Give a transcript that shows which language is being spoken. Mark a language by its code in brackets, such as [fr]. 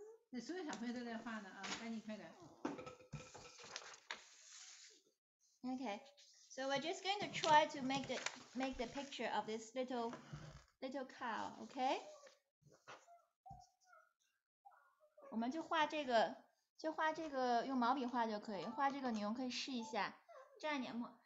[zh] 那所有小朋友都在画呢啊，赶紧快点。 [en] OK， so we're just going to try to make the picture of this little cow， OK？ [zh] 我们就画这个用毛笔画就可以，画这个牛可以试一下，蘸点墨。